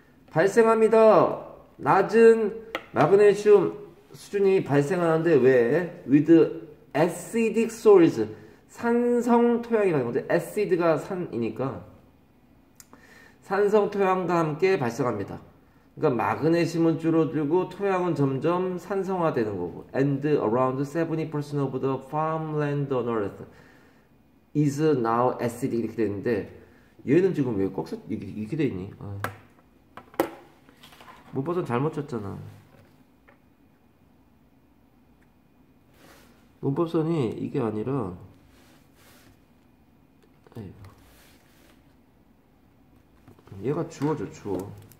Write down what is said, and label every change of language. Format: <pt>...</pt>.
<ko>발생합니다. 낮은 마그네슘 수준이 발생하는데 왜?</ko> <en>With acidic soils.</en> <ko>산성 토양이라는 건데, acid가 산이니까. 산성 토양과 함께 발생합니다. 그러니까 마그네슘은 줄어들고 토양은 점점 산성화되는 거고.</ko> <en>And around 70% of the farmland on earth is now acidic.</en> <ko>이렇게 되는데, 얘는 지금 왜 꺽쇠, 이렇게 돼 있니? 아. 문법은 잘못 쳤잖아. 문법선이 이게 아니라, 얘가 주어죠, 주어.</ko>